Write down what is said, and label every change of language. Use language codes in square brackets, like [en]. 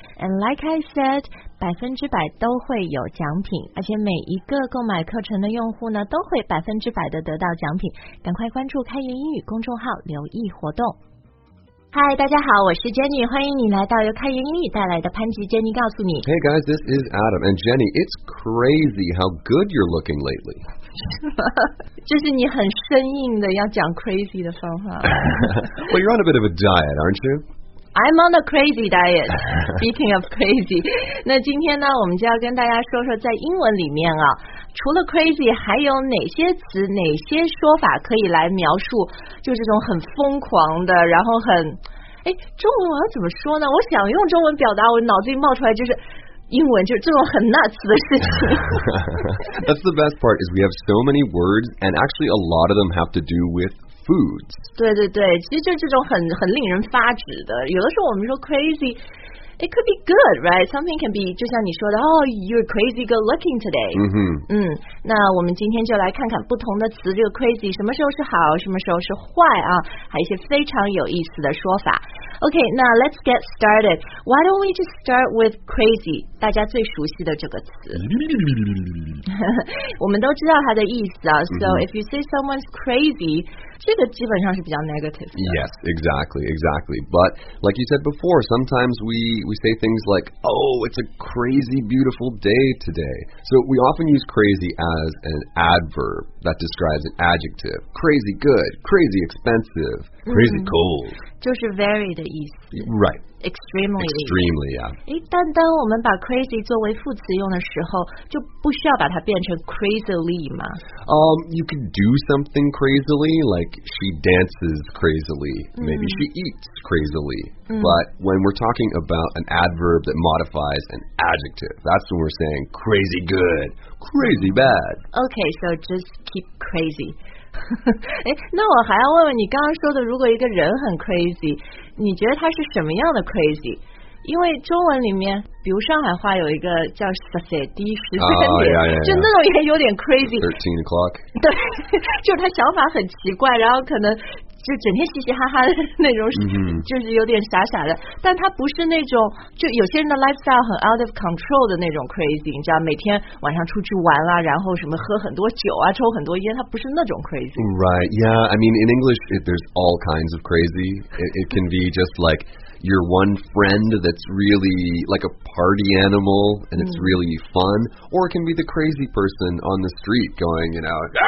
[en] And like I said, [zh] 100%都会有奖品，而且每一个购买课程的用户呢都会100%的得到奖品。赶快关注开言英语公众号留意活动。嗨，大家好，我是 Jenny， 欢迎你来到由开言英语带来的潘吉 Jenny 告诉你。 [en] Hey guys, this is Adam and Jenny. It's crazy how good you're looking lately. [zh] 就是你很生硬的要讲 crazy 的方法。 [en] Well, you're on a bit of a diet, aren't you? I'm on a crazy diet. Speaking of crazy, [zh] 那今天呢，我们就要跟大家说说在英文里面啊，除了 crazy， 还有哪些词、哪些说法可以来描述，就这种很疯狂的，然后很，哎，中文我要怎么说呢？我想用中文表达，我脑子里冒出来就是。英文就是这种很 nuts 的事情。 [en] That's the best part is we have so many words and actually a lot of them have to do with foods. [zh] 对对对，其实就这种很令人发指的，有的时候我们说 crazy, [en] it could be good, right? Something can be, [zh] 就像你说的 [en] oh, you're crazy good looking today. 嗯哼。 [zh] 嗯，那我们今天就来看看不同的词，这个 crazy 什么时候是好，什么时候是坏啊，还有一些非常有意思的说法。 [en] Okay, now let's get started. Why don't we just start with crazy? [zh] 大家最熟悉的这个词。我们都知道它的意思啊。 Mm-hmm. [en] So if you say someone's crazy, [zh] 这个基本上是比较 negative 的。 [en] Yes, exactly, exactly. But like you said before, sometimes we say things like, oh, it's a crazy beautiful day today. So we often use crazy as an adverb that describes an adjective. Crazy good, crazy expensive, crazy cold. [zh] 就是 very 的意思 [en] right extremely extremely yeah [zh] 诶，但当我们把 crazy 作为副词用的时候，就不需要把它变成 crazily 吗？ [en] You can do something crazily, like she dances crazily, maybe she eats crazily, but when we're talking about an adverb that modifies an adjective, that's when we're saying crazy good, crazy bad. Okay, so just keep crazy. [zh] 哎，那我还要问问你刚刚说的，如果一个人很 crazy， 你觉得他是什么样的 crazy？因为中文里面，比如上海话有一个叫“十三点”，十三点，就那种也有点 crazy。 [en] Thirteen o'clock。 [zh] 对，就是他想法很奇怪，然后可能就整天嘻嘻哈哈的那种，就是有点傻傻的。但他不是那种，就有些人的 lifestyle 很 [en] out of control [zh] 的那种 crazy， 你知道，每天晚上出去玩啦，然后什么喝很多酒啊，抽很多烟，他不是那种 crazy。 [en] Right? Yeah. I mean, in English, there's all kinds of crazy. It can be just like. Your one friend that's really like a party animal and it's really fun, or it can be the crazy person on the street going, you know.